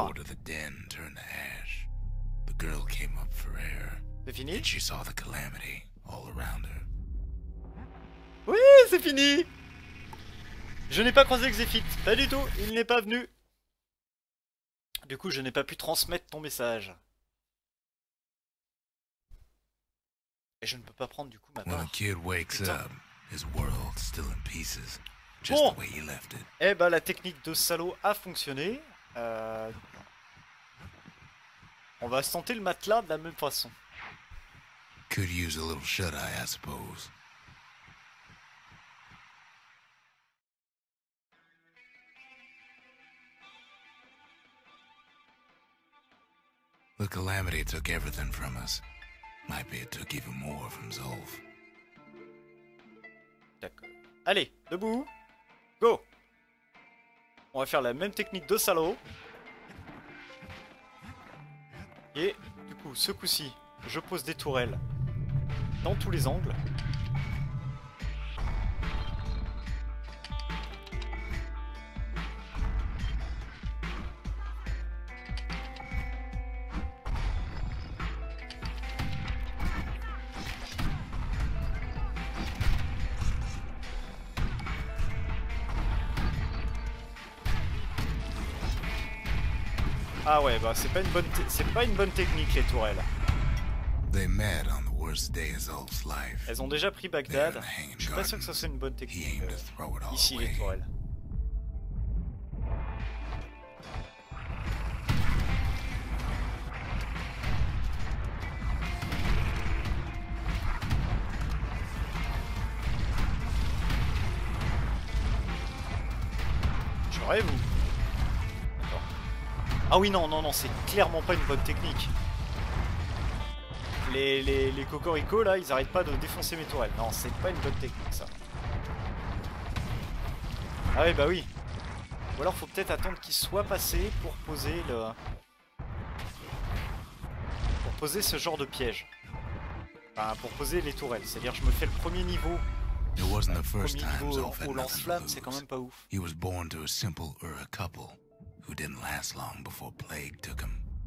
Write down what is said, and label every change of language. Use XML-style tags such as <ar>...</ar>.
<en>The door to the den turned to ash. The girl came up for air.</en> <fr>C'est fini?</fr> <en>And she saw the calamity all around her.</en> <fr>Oui, c'est fini! Je n'ai pas croisé Xéphite, pas du tout, il n'est pas venu. Du coup, je n'ai pas pu transmettre ton message. Et je ne peux pas prendre du coup ma part.</fr> <en>When a kid wakes up, his world still in pieces.</en> <fr>Bon, eh ben la technique de salaud a fonctionné. On va tenter le matelas de la même façon.</fr> <en>Could use a little shut eye, I suppose. The calamity took everything from us. Might be it took even more from Zolf.</en> <fr>D'accord. Allez, debout. Go. On va faire la même technique de salaud. Et du coup, ce coup-ci, je pose des tourelles dans tous les angles. Ah ouais, bah c'est pas une bonne technique les tourelles.</fr> <en>They met on the worst day of Zolf's life.</en> <fr>Elles ont déjà pris Bagdad. Je suis pas sûr que ça soit une bonne technique. Ici les tourelles. Ah oui, non, c'est clairement pas une bonne technique. Les cocoricos là, ils arrêtent pas de défoncer mes tourelles. Non, c'est pas une bonne technique ça. Ah oui, bah oui. Ou alors faut peut-être attendre qu'ils soient passés pour poser le. Pour poser ce genre de piège. Enfin, pour poser les tourelles. C'est-à-dire, je me fais le premier niveau. Au lance-flamme, c'est quand même pas ouf.</fr> <en>He was born to a simple or a couple. Who didn't last long before plague took him.</en>